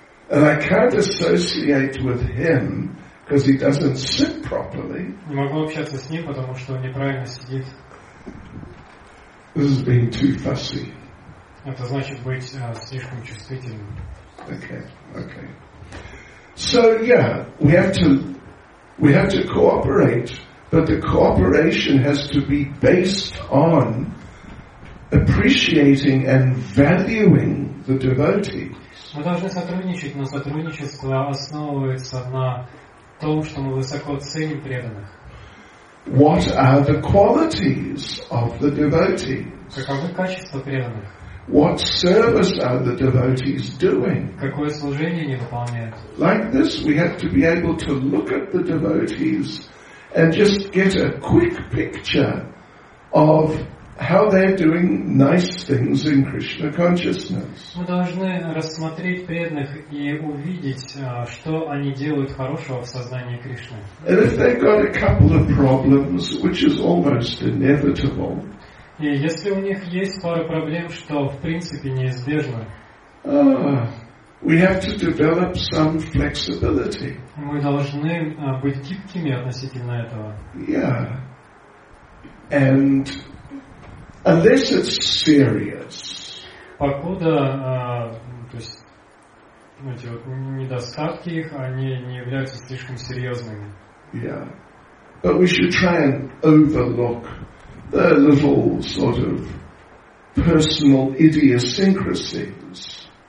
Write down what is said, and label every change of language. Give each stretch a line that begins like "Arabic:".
English: And I can't associate with him because he doesn't sit properly.
Russian: Не могу общаться с ним, потому что он неправильно сидит.
English: This has been too fussy.
Russian: Это значит быть слишком чувствительным.
English: Okay. So yeah, we have to cooperate, but the cooperation has to be based on appreciating and valuing the devotee.
Russian: Мы должны сотрудничать, но сотрудничество основывается на том, что мы высоко ценим преданных.
English: What are the qualities of the devotees?
Russian: Каковы качества преданных?
English: What service are the devotees doing?
Russian: Какое служение они выполняют?
English: Like this, we have to be able to look at the devotees and just get a quick picture of how they're doing nice things in Krishna consciousness.
Russian: Мы должны рассмотреть преданных и увидеть, что они делают хорошего в сознании Кришны.
English: And if they've got a couple of problems, which is almost inevitable.
Russian: И если у них есть пара проблем, что в принципе неизбежно.
English: We have to develop some flexibility.
Russian: Мы должны быть гибкими относительно этого.
English: Yeah. And unless it's serious.
Russian: Покуда, то есть, эти вот недостатки их, они не являются слишком серьезными.
English: Yeah. But we should try and overlook the little sort of personal idiosyncrasies.